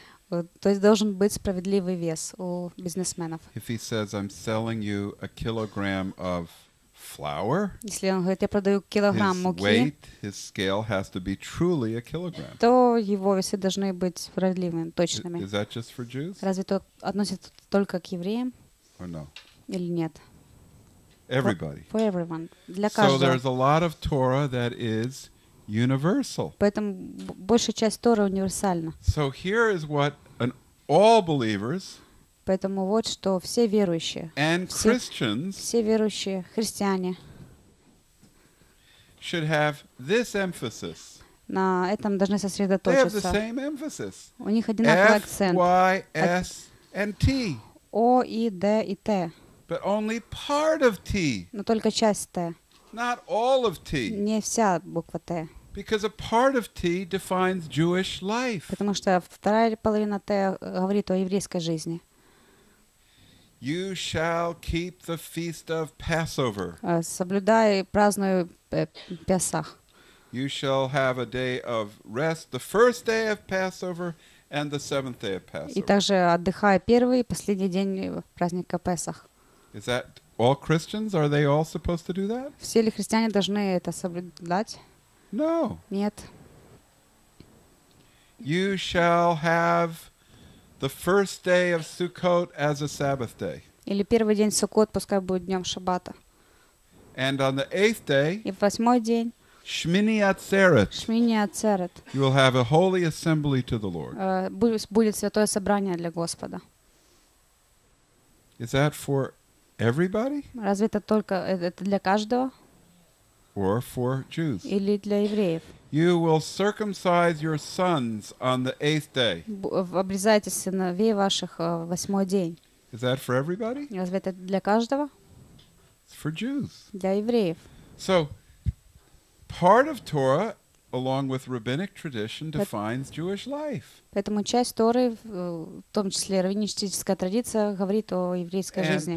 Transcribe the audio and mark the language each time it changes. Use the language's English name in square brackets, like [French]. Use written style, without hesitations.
[Russian] То есть должен быть справедливый вес у бизнесменов. [English] If he says, I'm selling you a kilogram of flour, [Russian] если он говорит, я продаю килограмм [English] his [Russian] муки, [English] weight, his scale has to be truly a kilogram. [Russian] То его весы должны быть справедливыми, точными. [English] Is that just for Jews? [Russian] Разве это относится только к евреям? [English] Or no? [Russian] Или нет? [English] Everybody. For everyone. [Russian] Для каждого. [English] So there's a lot of Torah that is universal. [Russian] Поэтому большая часть Торы универсальна. [English] So here is what an all believers. [Russian] Поэтому вот что все верующие. [English] And Christians. [Russian] Все верующие христиане. [English] Should have this emphasis. [Russian] На этом должны сосредоточиться. [English] They have the same emphasis. [Russian] У них одинаковый акцент. [English] F Y S and T. [Russian] О и Д и Т. [English] But only part of T. [Russian] Но только часть Т. [English] Not all of T. [Russian] Не вся буква Т. [English] Because a part of T defines Jewish life. [Russian] Потому что вторая половина Т говорит о еврейской жизни. [English] You shall keep the feast of Passover. [Russian] Соблюдай, празднуй Песах. [English] You shall have a day of rest, the first day of Passover and the seventh day of Passover. [Russian] И также отдыхай первый и последний день праздника Песах. [English] Is that all Christians? Are they all supposed to do that? [Russian] Все ли христиане должны это соблюдать? [English] No. [Russian] Нет. [English] You shall have the first day of Sukkot as a Sabbath day. [Russian] Или первый день Суккот, пускай будет днем Шаббата. [English] And on the eighth day. [Russian] И восьмой день. Шмини Ацерет. Шмини Ацерет. [English] You will have a holy assembly to the Lord. [Russian] Будет святое собрание для Господа. [English] Is that for everybody? [Russian] Разве это только это для каждого? [English] Or for Jews? [Russian] Или для евреев? [English] You will circumcise your sons on the eighth day. [Russian] Обрезайте сыновей ваших восьмой день. [English] Is that for everybody? [Russian] Разве это для каждого? [English] It's for Jews. [Russian] Для евреев. [English] So, part of Torah, along with rabbinic tradition, defines Jewish life. [Russian] Поэтому часть Торы, в том числе раввинистическая традиция, говорит о еврейской жизни.